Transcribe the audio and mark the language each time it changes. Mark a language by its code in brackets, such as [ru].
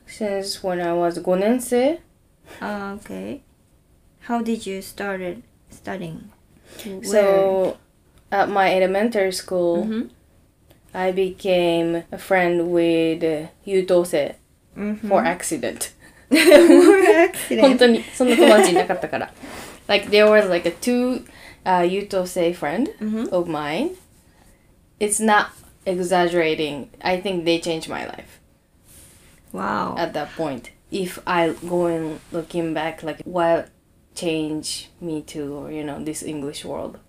[en] since when I was [ja] 5年生。 [en] Okay. How did you start studying? So, at my elementary school,、 mm-hmm. I became a friend with 優等生 for accident. [ja] 本当にそんな友達いなかったから。 [en] Like, there was like a two Yutosei friend、 mm-hmm. of mine. It's not exaggerating. I think they changed my life. Wow. At that point. If I going looking back, like, what changed me to, you know, this English world?、